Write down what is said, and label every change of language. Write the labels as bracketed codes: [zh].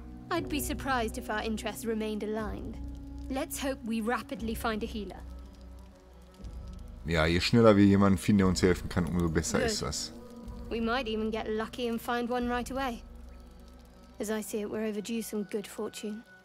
[en] I'd be surprised if our interests remained aligned. Let's hope we rapidly find a healer. [de] Ja, je schneller wir jemanden finden, der uns helfen kann, umso besser ist das. [en] We might even get lucky and find one right away. As I see it, we're overdue some good fortune.